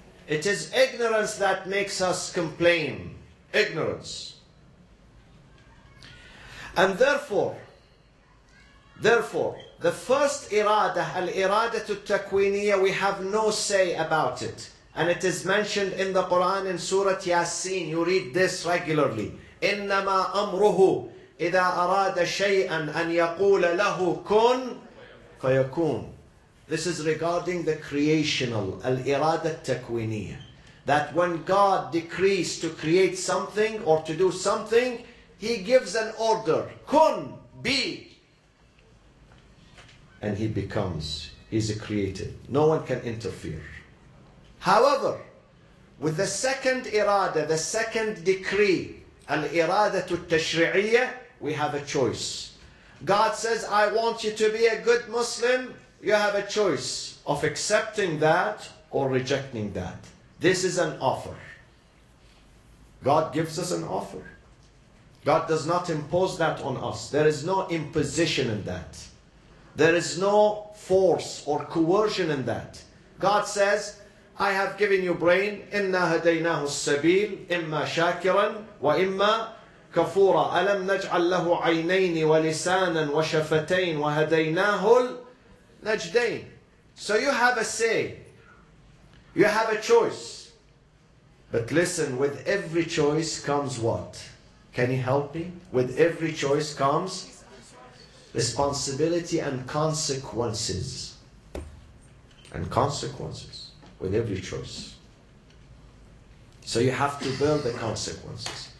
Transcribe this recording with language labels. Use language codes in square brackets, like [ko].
[en] It is ignorance that makes us complain. Ignorance. And therefore, the first irada, al-iradatu al-takwiniyya, we have no say about it. And it is mentioned in the Quran in Surah Yasin. You read this regularly. [ar] إِنَّمَا أَمْرُهُ إِذَا أَرَادَ شَيْئًا أَنْ يَقُولَ لَهُ كُنْ فَيَكُونَ. [en] This is regarding the creational, al-iradatu al-takwiniyya. That when God decrees to create something or to do something, He gives an order. كُنْ, be. And He becomes, He's created. No one can interfere. However, With the second irada, the second decree, al-irada al-tashri'iyya, we have a choice. God says, I want you to be a good Muslim. You have a choice of accepting that or rejecting that. This is an offer. God gives us an offer. God does not impose that on us. There is no imposition in that. There is no force or coercion in that. God says, I have given you brain. [ar] إِنَّا هَدَيْنَاهُ السَّبِيلِ إِمَّا شَاكِرًا وَإِمَّا كَفُورًا أَلَمْ نَجْعَلْ لَهُ عَيْنَيْنِ وَلِسَانًا وَشَفَتَيْنِ وَهَدَيْنَاهُ النَّجْدَيْنِ. [en] So you have a say. You have a choice. But listen, with every choice comes what? Can you help me? With every choice comes responsibility and consequences. And consequences with every choice. So you have to build the consequences.